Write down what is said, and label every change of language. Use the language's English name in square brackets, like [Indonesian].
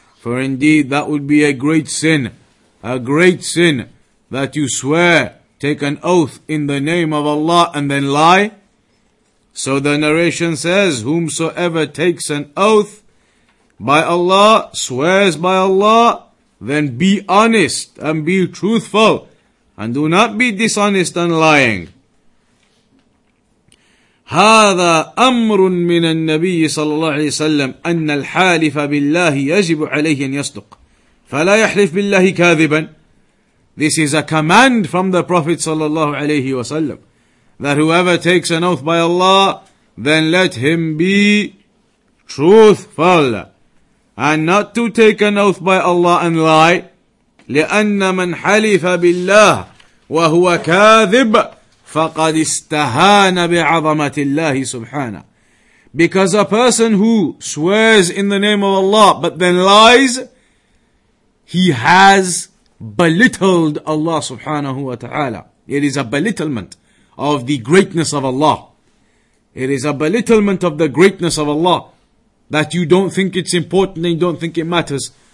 [English] For indeed that would be a great sin. A great sin that you swear, take an oath in the name of Allah and then lie. So the narration says, whomsoever takes an oath by Allah, swears by Allah, then be honest and be truthful, and do not be dishonest and lying. [Arabic] هذا أمر من النبي صلى الله عليه وسلم أن الحالف بالله يجب عليه أن يصدق فلا يحلف بالله كاذبا. [English] This is a command from the Prophet [Arabic] صلى الله عليه وسلم, [English] that whoever takes an oath by Allah, then let him be truthful, and not to take an oath by Allah and lie. [Arabic] لأن من حلف بالله وهو كاذب فقد استهان بعظمة الله سبحانه. [English] Because a person who swears in the name of Allah but then lies, he has belittled Allah subhanahu wa ta'ala. It is a belittlement of the greatness of Allah. It is a belittlement of the greatness of Allah that you don't think it's important and you don't think it matters.